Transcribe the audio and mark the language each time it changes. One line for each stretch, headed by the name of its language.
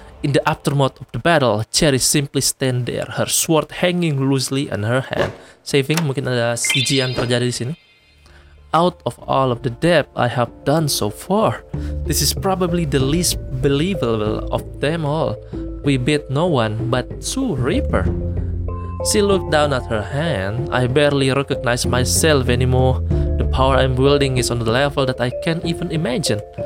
English: In the aftermath of the battle, Cherry simply stand there, her sword hanging loosely in her hand.
Indonesian: Saving, mungkin ada CG yang terjadi di sini.
English: Out of all of the depth I have done so far, this is probably the least believable of them all. We beat no one but Sue Reaper. She looked down at her hand. I barely recognize myself anymore. The power I'm wielding is on a level that I can't even imagine.